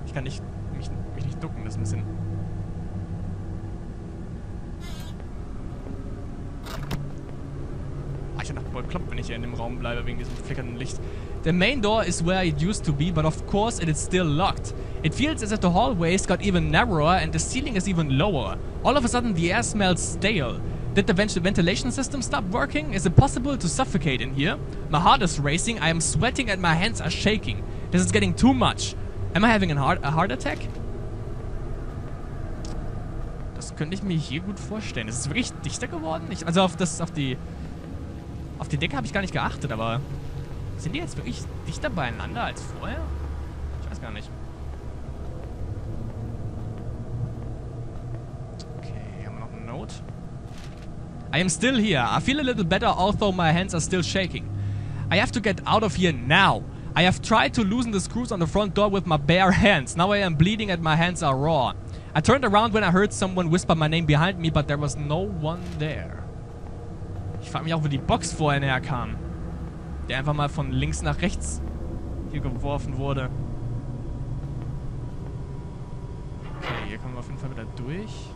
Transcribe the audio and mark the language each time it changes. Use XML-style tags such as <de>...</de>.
<de>Ich kann nicht, mich nicht ducken, das ist ein bisschen. Oh, gleiche Nacht wohl kloppt, wenn ich hier in dem Raum bleibe wegen diesem flickernden Licht.</de> <en>The main door is where it used to be, but of course it is still locked. It feels as if the hallways got even narrower and the ceiling is even lower. All of a sudden the air smells stale. Did the ventilation system stop working? Is it possible to suffocate in here? My heart is racing, I am sweating and my hands are shaking. This is getting too much. Am I having a heart attack?</en> <de>Das könnte ich mir hier gut vorstellen. Ist es wirklich dichter geworden? Auf die Decke habe ich gar nicht geachtet, aber sind die jetzt wirklich dichter beieinander als vorher? Ich weiß gar nicht. Okay, haben wir noch eine Note?</de> <en>I am still here. I feel a little better, although my hands are still shaking. I have to get out of here now. I have tried to loosen the screws on the front door with my bare hands. Now I am bleeding and my hands are raw. I turned around when I heard someone whisper my name behind me, but there was no one there.</en> <de>Ich frag mich auch, wo die Box vorher näher kam. Der einfach mal von links nach rechts hier geworfen wurde. Okay, hier kommen wir auf jeden Fall wieder durch.</de>